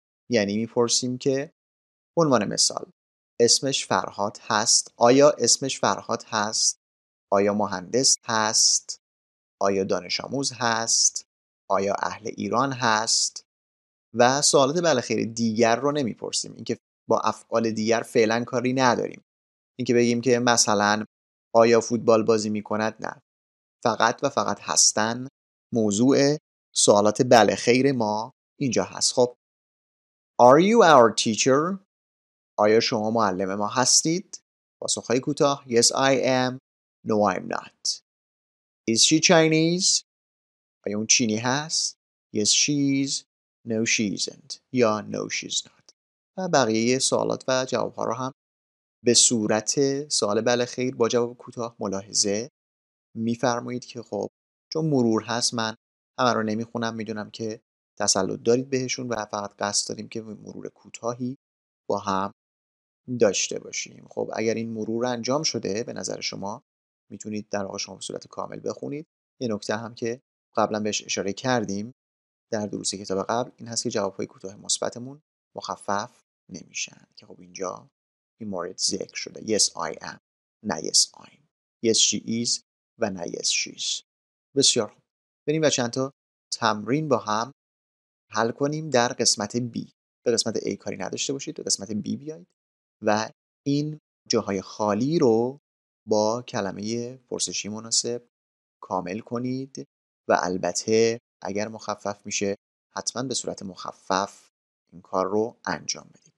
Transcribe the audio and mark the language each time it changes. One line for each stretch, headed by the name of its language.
Persian: یعنی میپرسیم که عنوان مثال اسمش فرهاد هست؟ آیا اسمش فرهاد هست؟ آیا مهندس هست؟ آیا دانش آموز هست؟ آیا اهل ایران هست؟ و سوالات بله خیر دیگر رو نمیپرسیم. این که با افعال دیگر فعلا کاری نداریم. این که بگیم که مثلا آیا فوتبال بازی میکند؟ نه. فقط و فقط هستن موضوع سوالات بله خیر ما اینجا هست.
English: خب Are you our teacher?
Persian: آیا شما معلم ما هستید؟ پاسخ‌های کوتاه
English: Yes I am. No I'm not. Is she Chinese?
Persian: آیا اون چینی هست؟
English: Yes she is. No she isn't. یا No she's not.
Persian: و بقیه سوالات و جواب‌ها رو هم به صورت سوال بله خیر با جواب کوتاه ملاحظه می‌فرمایید که خب چون مرور هست من همه رو نمی‌خونم، می‌دونم که تسلط دارید بهشون و فقط قصد داریم که مرور کوتاهی با هم داشته باشیم. خب اگر این مرور انجام شده به نظر شما میتونید در واقع شما به صورت کامل بخونید. یه نکته هم که قبلا بهش اشاره کردیم در دروس کتاب قبل این هست که جوابهای کوتاه مثبتمون مخفف نمیشن، که خب اینجا این مورد ذکر شده.
English: Yes I am،
Persian: نه
English: yes I'm. Yes she is
Persian: و نه
English: yes she's.
Persian: بسیار خوب. بریم و چند تا تمرین با هم حل کنیم در قسمت B. به قسمت A کاری نداشته باشید، به قسمت B بیایید و این جاهای خالی رو با کلمه پرسشی مناسب کامل کنید و البته اگر مخفف میشه حتما به صورت مخفف این کار رو انجام بدید.